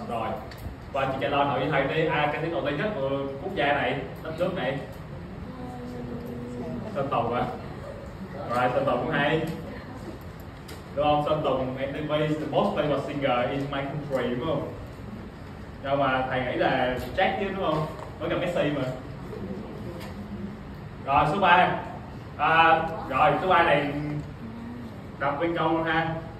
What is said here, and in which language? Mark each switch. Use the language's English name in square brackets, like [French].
[Vietnamese] Rồi và chị trả lời nội dung thầy đi. Ai cái tiếng đầu tiên nhất của quốc gia này, đất nước này, Sơn Tùng á. Rồi Sơn Tùng cũng hay. Đúng không? [English] Sơn Tùng, MTV is the most famous singer in my country, [Vietnamese] đúng không? Nhưng mà thầy nghĩ là Jack chứ, đúng không? Với cả Messi mà. Rồi, số 3. À, rồi, số 3 này đọc bên câu luôn ha.